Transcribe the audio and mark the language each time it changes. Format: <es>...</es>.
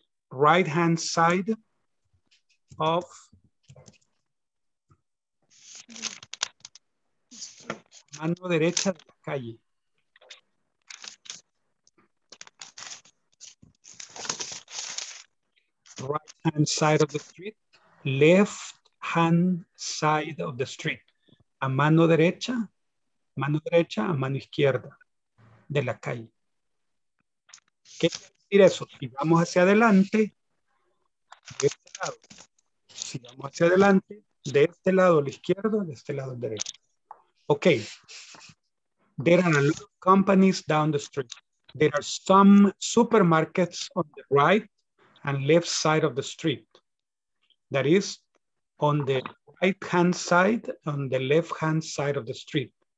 <en>Right hand side of</en> <es>mano derecha de la calle.</es> <en>Right hand side of the street, left hand side of the street.</en> <es>A mano derecha, a mano izquierda de la calle. ¿Qué es decir eso, si vamos hacia adelante, de este lado, si vamos hacia adelante, de este lado a la izquierda, de este lado al derecho. Ok.</es> <en>There are a lot of companies down the street. There are some supermarkets on the right and left side of the street. That is, on the right hand side, on the left hand side of the street.</en>